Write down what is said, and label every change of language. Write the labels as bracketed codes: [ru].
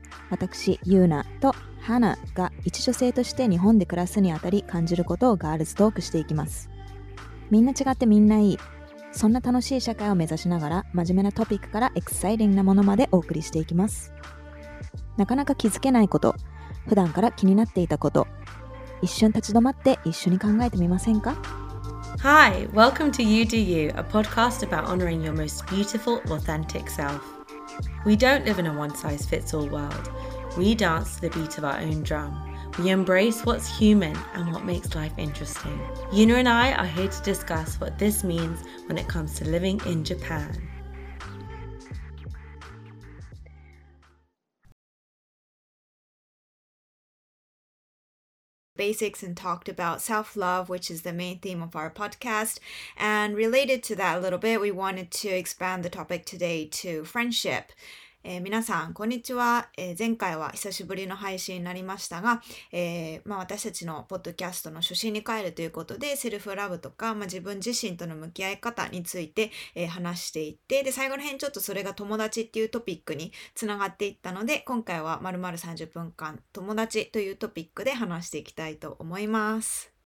[ja] 私ユーナとハナが一女性として日本で暮らすにあたり感じることをガールズトークしていきます。みんな違ってみんないい、そんな楽しい社会を目指しながら、真面目なトピックからエキサイティングなものまでお送りしていきます。なかなか気づけないこと、普段から気になっていたこと、一瞬立ち止まって一緒に考えてみませんか？ [en] Hi, welcome to You Do You, a podcast about honoring your most beautiful, authentic self. We don't live in a one-size-fits-all world. We dance to the beat of our own drum. We embrace what's human and what makes life interesting. Yuna and I are here to discuss what this means when it comes to living in Japan. Basics and talked about self-love, which is the main theme of our podcast. And related to that a little bit, we wanted to expand the topic today to friendship. [ja] 皆さん、こんにちは。前回は久しぶりの配信になりましたが、私たちのポッドキャストの初心に帰るということで、セルフラブとか、自分自身との向き合い方について、話していて、で最後の辺ちょっとそれが友達っていうトピックにつながっていったので、今回は丸々30分間友達というトピックで話していきたいと思います。